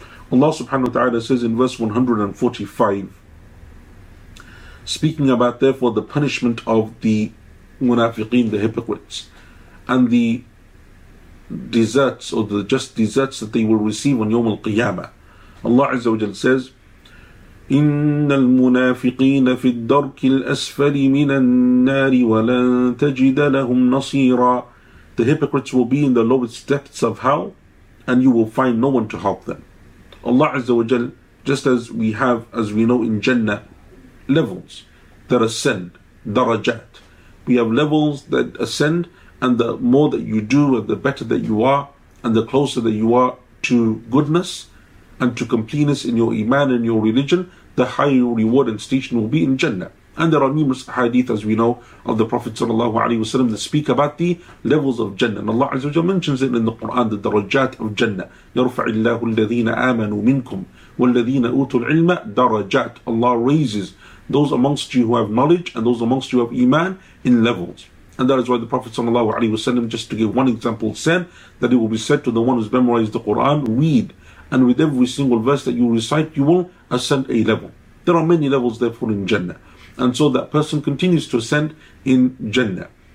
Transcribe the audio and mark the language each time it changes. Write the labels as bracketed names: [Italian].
[English] Allah subhanahu wa ta'ala says in verse 145, speaking about therefore the punishment of the munafiqeen, the hypocrites, and the deserts, or the just deserts that they will receive on يوم القيامة. [Arabic] Allah عز وجل [English] says, [Arabic] إِنَّ الْمُنَافِقِينَ فِي الدَّرْكِ الْأَسْفَلِ مِنَ النَّارِ وَلَن تَجِدَ لَهُمْ نَصِيرًا. [English] The hypocrites will be in the lowest depths of hell, and you will find no one to help them. Allah Azza wa Jal, just as we have, as we know in Jannah, levels that ascend, darajat. We have levels that ascend, and the more that you do, and the better that you are, and the closer that you are to goodness, and to completeness in your iman and your religion, the higher your reward and station will be in Jannah. And there are numerous hadith, as we know, of the Prophet sallallahu alaihi wasallam that speak about the levels of Jannah. And Allah Azza wa Jalla mentions it in the Quran, the darajat of Jannah. [Arabic] يَرْفَعِ اللَّهُ الَّذِينَ آمَنُوا مِنْكُمْ وَالَّذِينَ أُوتُوا الْعِلْمَ darajat. [English] Allah raises those amongst you who have knowledge and those amongst you who have iman in levels. And that is why the Prophet sallallahu alaihi wasallam, just to give one example, said that it will be said to the one who's memorized the Quran, read, and with every single verse that you recite, you will ascend a level. There are many levels therefore in Jannah. And so that person continues to ascend in Jannah.